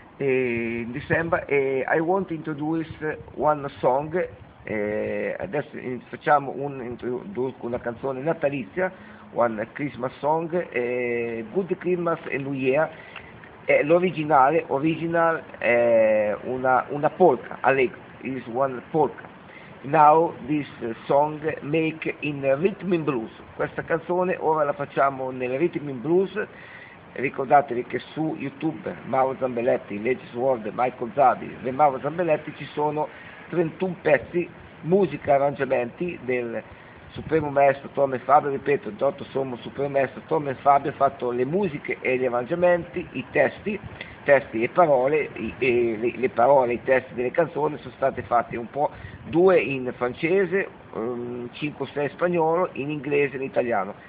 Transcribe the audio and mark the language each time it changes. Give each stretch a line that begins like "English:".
English: In December, I want to introduce one song.
Italian: Adesso facciamo una canzone natalizia,
English: one Christmas song, Good Christmas and New Year.
Italian: L'originale, original è una polka, allegro,
English: is one polka. Now this song make in rhythm and blues.
Italian: Questa canzone ora la facciamo nel rhythm and blues. Ricordatevi che su YouTube Mauro Zambelletti, Legends World, Michael Zabi, The Mauro Zambelletti ci sono 31 pezzi, musica, arrangiamenti del Supremo Maestro Tom e Fabio, ripeto, dotto sommo Supremo Maestro Tom e Fabio, ha fatto le musiche e gli arrangiamenti, i testi e parole, le parole, i testi delle canzoni sono state fatte un po' due in francese, 5-6 in spagnolo, in inglese e in italiano.